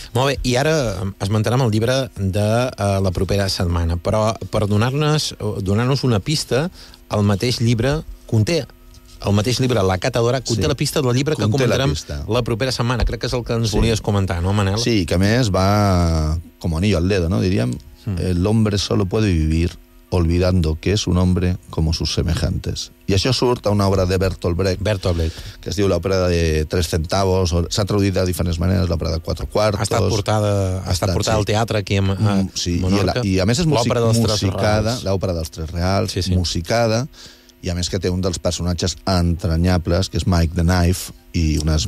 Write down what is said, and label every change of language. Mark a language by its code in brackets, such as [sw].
[ca] Molt bé, i ara esmentarem el llibre de la propera setmana, però per donar-nos una pista, el mateix llibre conté... El mateix llibre, La Catadora, conté la pista del llibre que comentarem la propera setmana. Crec que és el que ens volies comentar, no, Manel? Sí, que a més va com [es] anillo al dedo, [ca] no? [es] Diríem, el hombre solo puede vivir olvidando que es un hombre como sus semejantes. [ca] I això surt a una obra de Bertolt Brecht, que es diu l'òpera de Tres Centavos, o s'ha traduït de diferents maneres, l'òpera de Quatre Quartos... Ha estat portada al teatre aquí a Menorca. Sí, i a més és musicada, l'òpera dels Tres Reals, musicada... I a més que té un dels personatges entranyables, que és Mike the Knife, i unes